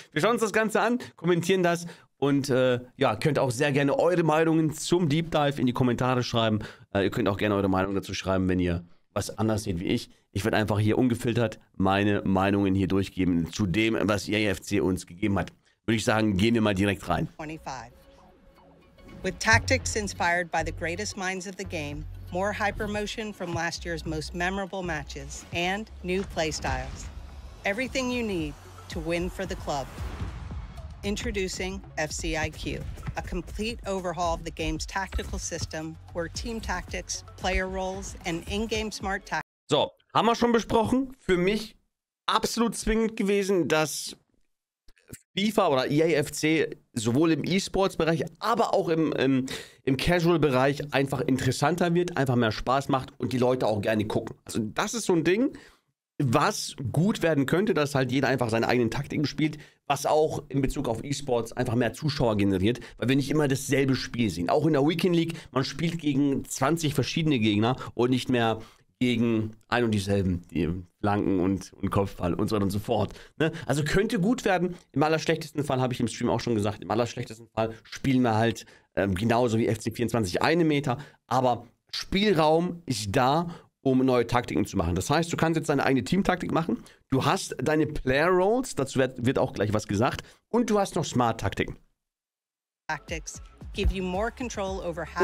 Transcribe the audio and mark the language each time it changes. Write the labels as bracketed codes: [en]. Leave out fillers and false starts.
[de] Wir schauen uns das Ganze an, kommentieren das und könnt auch sehr gerne eure Meinungen zum Deep Dive in die Kommentare schreiben. Ihr könnt auch gerne eure Meinung dazu schreiben, wenn ihr was anders seht wie ich. Ich werde einfach hier ungefiltert meine Meinungen hier durchgeben zu dem, was EAFC uns gegeben hat. Würde ich sagen, gehen wir mal direkt rein. 25. [en] With tactics inspired by the greatest minds of the game, more hypermotion from last year's most memorable matches, and new playstyles. Everything you need to win for the club. Introducing FCIQ, a complete overhaul of the game's tactical system, where team tactics, player roles, and in-game smart tactics. [de] So, haben wir schon besprochen. Für mich absolut zwingend gewesen, dass FIFA oder EAFC sowohl im E-Sports-Bereich, aber auch im Casual-Bereich einfach interessanter wird, einfach mehr Spaß macht und die Leute auch gerne gucken. Also das ist so ein Ding, was gut werden könnte, dass halt jeder einfach seine eigenen Taktiken spielt, was auch in Bezug auf E-Sports einfach mehr Zuschauer generiert, weil wir nicht immer dasselbe Spiel sehen. Auch in der Weekend League, man spielt gegen 20 verschiedene Gegner und nicht mehr gegen ein und dieselben, die Flanken und Kopfball und so weiter und so fort. Ne? Also könnte gut werden. Im allerschlechtesten Fall, habe ich im Stream auch schon gesagt, im allerschlechtesten Fall spielen wir halt genauso wie FC24 einen Meter. Aber Spielraum ist da, um neue Taktiken zu machen. Das heißt, du kannst jetzt deine eigene Teamtaktik machen. Du hast deine Player-Roles, dazu wird auch gleich was gesagt. Und du hast noch Smart-Taktiken. [en] Tactics give you more control over how